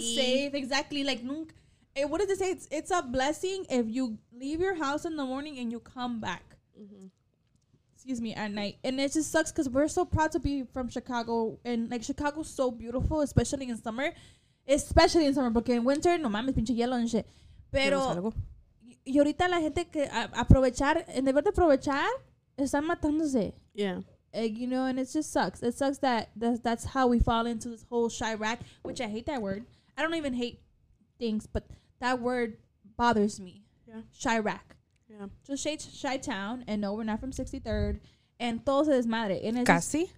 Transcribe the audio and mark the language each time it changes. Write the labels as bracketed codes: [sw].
[en] It's unsafe, exactly. Like what does it say? It's a blessing if you leave your house in the morning and you come back. Mm-hmm. Excuse me, at night. And it just sucks because we're so proud to be from Chicago. And, like, Chicago's so beautiful, especially in summer. Especially in summer. [es] Porque en [en] winter, [es] no mames, pinche hielo [en] and shit. [es] Pero, y ahorita la gente que aprovechar, en deber de aprovechar, están matándose. [en] Yeah. And, you know, and it just sucks. It sucks that's how we fall into this whole Chirac, which I hate that word. I don't even hate things, but that word bothers me. Yeah. Chirac. Yeah. Just Chi-Town, and no, we're not from 63rd, and [es] todo se desmadre. [en] And it's casi.